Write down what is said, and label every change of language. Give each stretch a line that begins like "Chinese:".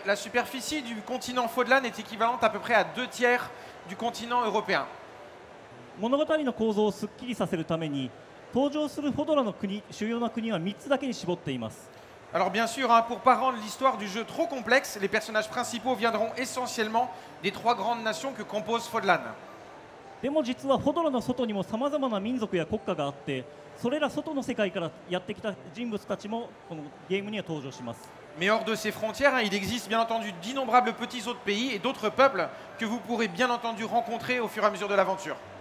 French: la superficie du continent Fodlan est équivalente à peu près à deux tiers du continent européen.
Japanese: 物語の構造をすっきりさせるために登場するホドラの国、主要な国は3つだけに絞っています。
French: Alors bien sûr, hein, pour pas rendre l'histoire du jeu trop complexe, les personnages principaux viendront essentiellement des trois grandes nations que compose Fodlan.
Japanese: でも実はホドラの外にも様々な民族や国家があって、それら外の世界からやってきた人物たちもこのゲームには登場します。
French: Mais hors de ces frontières, hein, il existe bien entendu d'innombrables petits autres pays et d'autres peuples que vous pourrez bien entendu rencontrer au fur et à mesure de l'aventure.